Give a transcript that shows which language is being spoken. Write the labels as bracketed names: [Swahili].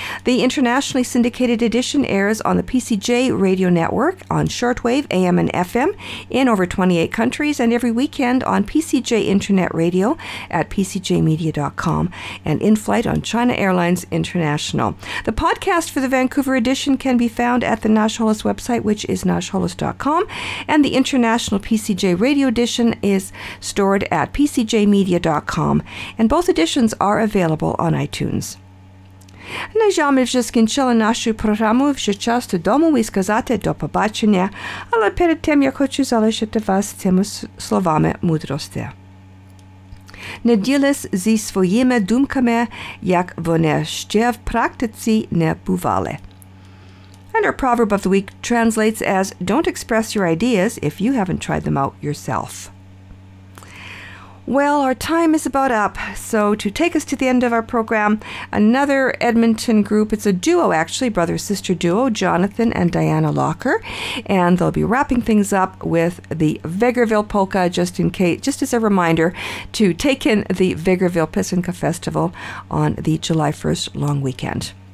[English] The internationally syndicated edition airs on the PCJ radio network on shortwave, AM and FM in over 28 countries and every weekend on PCJ Internet Radio at pcjmedia.com and in flight on China Airlines International. The podcast for the Vancouver edition can be found at the Nash Holos website, which is nashholos.com, and the International PCJ Radio Edition is stored at pcjmedia.com, and both editions are available on iTunes. [Ukrainian] На жаль, ми вже скінчили нашу програму. Вже час додому і сказати до побачення. Але перед тим я хочу залишити вас цими словами мудрості. Не ділись зі своїми думками, як вони ще в практиці не бували. [English] And our proverb of the week translates as, don't express your ideas if you haven't tried them out yourself. Well, our time is about up, so to take us to the end of our program, another Edmonton group, it's a duo actually, brother-sister duo, Jonathan and Diana Locker, and they'll be wrapping things up with the Vegreville Polka, just in case, just as a reminder, to take in the Vegreville Pissinka Festival on the July 1st long weekend.